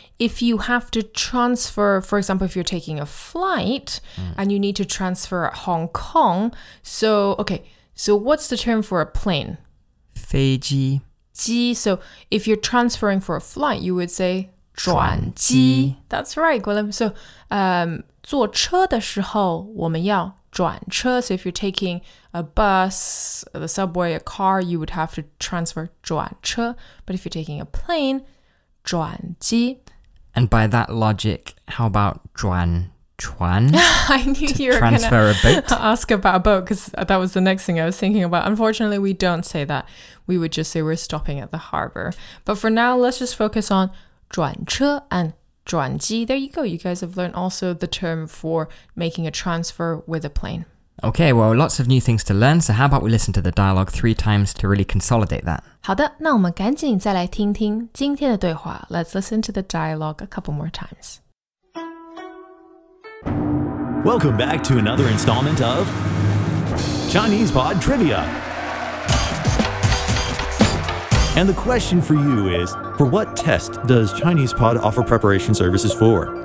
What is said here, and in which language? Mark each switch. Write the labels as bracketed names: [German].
[English] If you have to transfer, for example, if you're taking a flight and you need to transfer at Hong Kong, so, okay, so what's the term for a plane? [Chinese] 飞机. [English] 机, so if you're transferring for a flight, you would say 转机. That's right, Guilin. [Chinese] So, 坐车的时候我们要转车. [English] So if you're taking a bus, the subway, a car, you would have to transfer 转车. But if you're taking a plane, 转机. And by that logic, how about 转船? I knew you were transfer gonna a boat. Ask about a boat because that was the next thing I was thinking about. Unfortunately, we don't say that. We would just say we're stopping at the harbor. But for now, let's just focus on 转车 and 转机. There you go. You guys have learned also the term for making a transfer with a plane. Okay, well, lots of new things to learn. So how about we listen to the dialogue 3 times to really consolidate that? [Chinese] 好的,那我们赶紧再来听听今天的对话. [English] Let's listen to the dialogue a couple more times. Welcome back to another installment of Chinese Pod Trivia. And the question for you is, for what test does ChinesePod offer preparation services for?